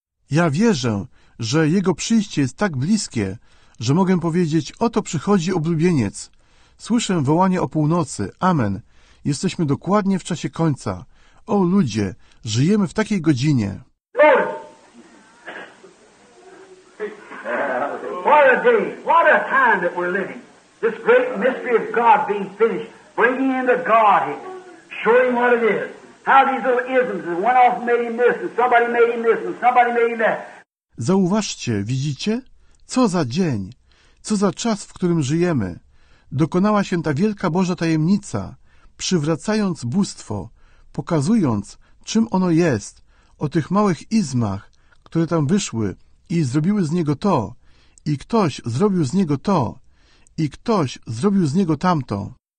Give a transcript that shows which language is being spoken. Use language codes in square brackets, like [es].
[pl] Ja wierzę, że jego przyjście jest tak bliskie, że mogę powiedzieć, oto przychodzi oblubieniec. Słyszę wołanie o północy. Amen. Jesteśmy dokładnie w czasie końca. O ludzie, żyjemy w takiej godzinie. [en] What a day, what a time that we're living. This great mystery of God being finished, bringing into Godhead, showing what it is. How these little isms, and one off made him this, and somebody made him this, and somebody made him that. [pl] Zauważcie, widzicie? Co za dzień, co za czas, w którym żyjemy. Dokonała się ta wielka Boża tajemnica, przywracając bóstwo, pokazując, czym ono jest, o tych małych izmach, które tam wyszły i zrobiły z niego to, i ktoś zrobił z niego to, i ktoś zrobił z niego tamto.